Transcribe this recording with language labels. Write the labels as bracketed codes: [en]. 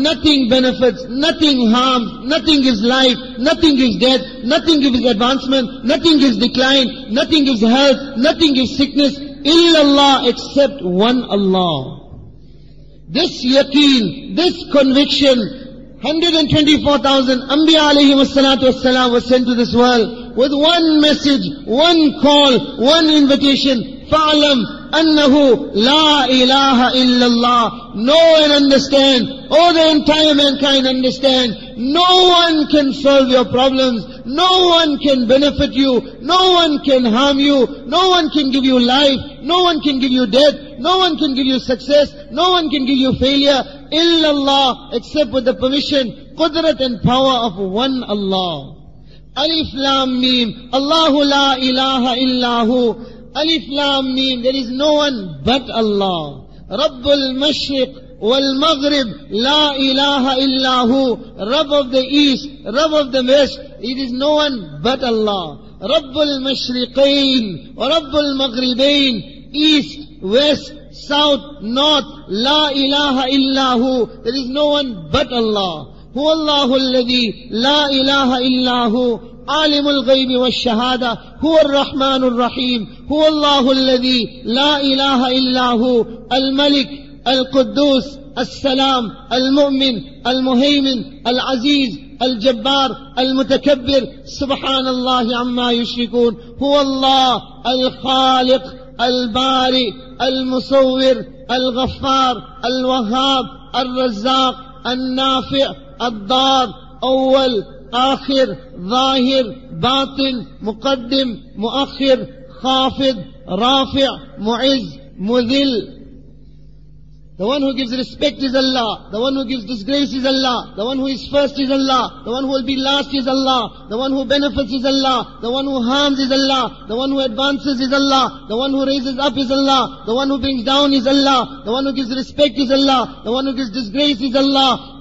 [en] Nothing benefits, nothing harms, nothing gives life, nothing gives death, nothing gives advancement, nothing gives decline, nothing gives health, nothing gives sickness. Illallah except one Allah. This yaqeen, this conviction, 124,000 Anbiya alayhi wassalam was sent to this world with one message, one call, one invitation. [ar] فَعْلَمْ أَنَّهُ لَا إِلَٰهَ إِلَّا اللَّهِ [en] Know and understand. Oh, the entire mankind understand. No one can solve your problems. No one can benefit you. No one can harm you. No one can give you life. No one can give you death. No one can give you success. No one can give you failure. [ar] إِلَّا اللَّهِ [en] Except with the permission, قُدْرَةً and power of one Allah. [ar] أَلِفْ لَامْ مِيمْ اللَّهُ لَا إِلَٰهَ إِلَّا هُ [en] Alif Lam Mim, there is no one but Allah. [ar] Rabbul Mashriq wal Maghrib, La ilaha illa hu. [en] Rabb of the East, Rabb of the West, it is no one but Allah. [ar] Rabbul Mashriqain, Rabbul Maghribain, [en] East, West, South, North, [ar] La ilaha illa hu. [en] There is no one but Allah. [ar] Hu Allahu alladhi, La ilaha illa hu. عالم الغيب والشهادة هو الرحمن الرحيم هو الله الذي لا إله إلا هو الملك القدوس السلام المؤمن المهيمن العزيز الجبار المتكبر سبحان الله عما يشركون هو الله الخالق البارئ المصور الغفار الوهاب الرزاق النافع الضار أول آخر ظاهر باطن مقدم مؤخر خافض رافع معز مذل [en] The one who gives respect is Allah. The one who gives disgrace is Allah. The one who is first is Allah. The one who will be last is Allah. The one who benefits is Allah. The one who harms is Allah. The one who advances is Allah. The one who raises up is Allah. The one who brings down is Allah. The one who gives respect is Allah. The one who gives disgrace is Allah.